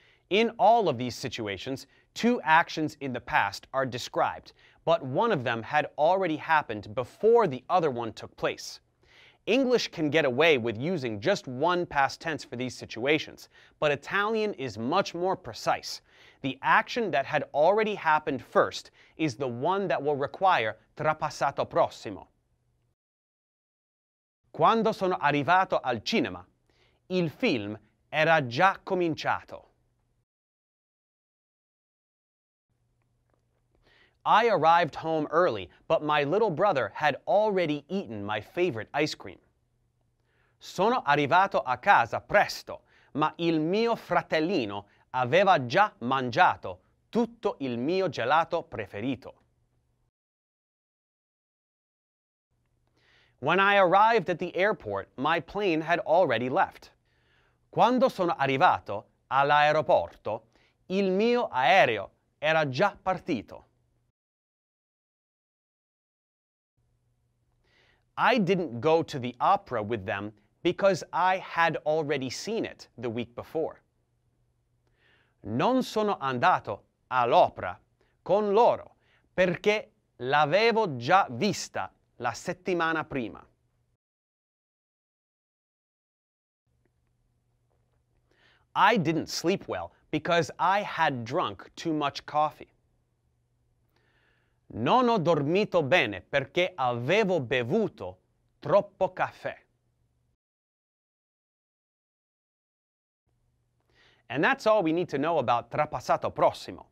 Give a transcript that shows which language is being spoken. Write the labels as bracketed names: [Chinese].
[English] In all of these situations, two actions in the past are described, but one of them had already happened before the other one took place. English can get away with using just one past tense for these situations, but Italian is much more precise. The action that had already happened first is the one that will require trapassato prossimo. [Italian] Quando sono arrivato al cinema, il film era già cominciato. [English] I arrived home early, but my little brother had already eaten my favorite ice cream. [Italian] Sono arrivato a casa presto, ma il mio fratellino aveva già mangiato tutto. tutto il mio gelato preferito. [English] When I arrived at the airport, my plane had already left. [Italian] Quando sono arrivato all'aeroporto, il mio aereo era già partito. [English] I didn't go to the opera with them because I had already seen it the week before. [Italian] Non sono andato all'opera con loro perché l'avevo già vista la settimana prima. [English] I didn't sleep well because I had drunk too much coffee. [Italian] Non ho dormito bene perché avevo bevuto troppo caffè. [English] And that's all we need to know about Trapassato Prossimo.